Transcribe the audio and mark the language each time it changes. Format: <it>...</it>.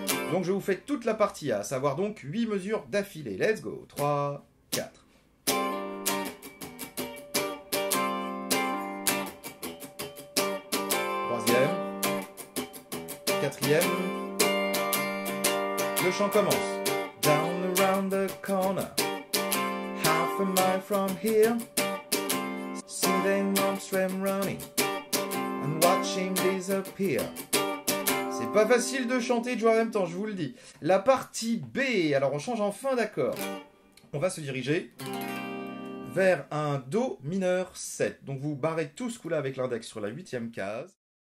<fr>Donc je vous fais toute la partie A, à savoir donc 8 mesures d'affilée.</fr> <en>Let's go, 3, 4...</en> <fr>Quatrième, le chant commence.</fr> <en>Down around the corner, half a mile from here, soothing monks swim running and watching disappear.</en> <fr>C'est pas facile de chanter et de jouer en même temps, je vous le dis. La partie B, alors on change en fin d'accord. On va se diriger vers un Do mineur 7. Donc vous barrez tout ce coup-là avec l'index sur la 8e case.</fr>